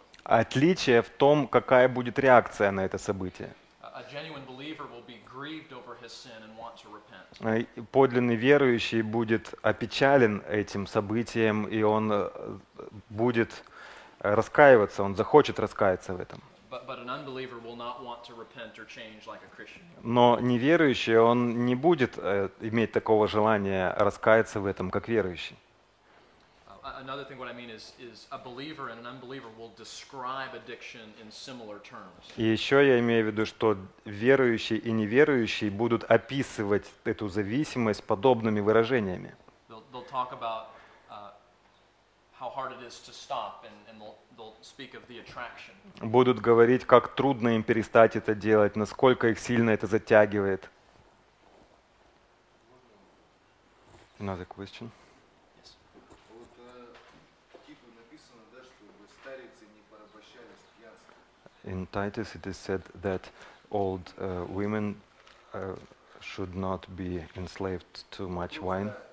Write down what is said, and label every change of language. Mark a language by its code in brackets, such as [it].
[ru] Отличие в том, какая будет реакция на это событие. [en] A genuine believer will be grieved over his sin and want to repent. [ru] Подлинный верующий будет опечален этим событием, и он будет раскаиваться, он захочет раскаяться в этом. [en] But an unbeliever will not want to repent or change like a Christian. [ru] Но неверующий, он не будет иметь такого желания раскаяться в этом, как верующий. [en] Another thing what I mean is a believer and an unbeliever will describe addiction in similar terms. [ru] И еще я имею в виду, что верующий и неверующий будут описывать эту зависимость подобными выражениями. [en] They'll talk about how hard it is to stop and speak of the attraction. [ru] Будут говорить, как трудно им перестать это делать, насколько их сильно это затягивает. [en] Another question? Yes. [ru] Вот типа написано, да, чтобы старицы не порабощались пьянством. [en] In Titus it is said that old women should not be enslaved too much wine.